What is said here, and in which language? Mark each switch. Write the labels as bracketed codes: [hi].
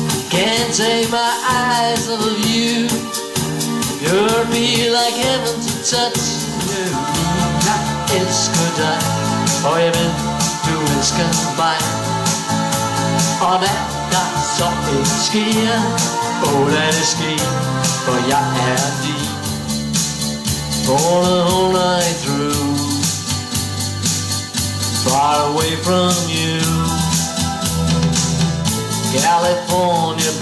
[en] Can't take my eyes off of you. You're me like heaven to touch. [da] Jeg elsker dig, og jeg ved, du elsker mig. Og hvad der så ikke sker, åh, lad det ske, for jeg er din. [en] For the whole night through, far away from you, California